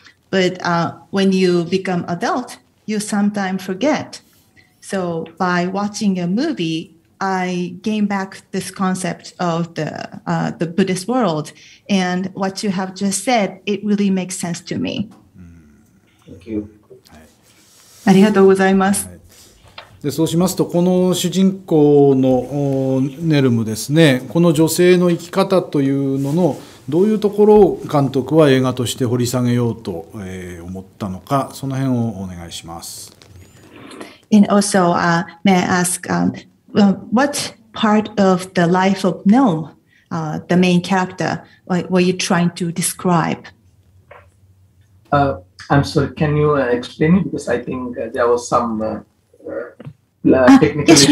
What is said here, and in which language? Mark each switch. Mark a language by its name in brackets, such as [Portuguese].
[English] But when you become adult,you sometimes forget. So by watching a movie, I gain back this concept of the Buddhist world. And what you have just said, it really makes sense to me. Thank you. [Japanese] ありがとうございます。で、そうしますと、この主人公のネルムですね、この女性の生き方というのの、どういうところを監督は映画として掘り下げようと思ったのか、その辺をお願いします。 [English] And also, may I ask, what part of the life of Noam, the main character, were you trying to describe? I'm sorry, can you explain it? Because I think there was some technical issue,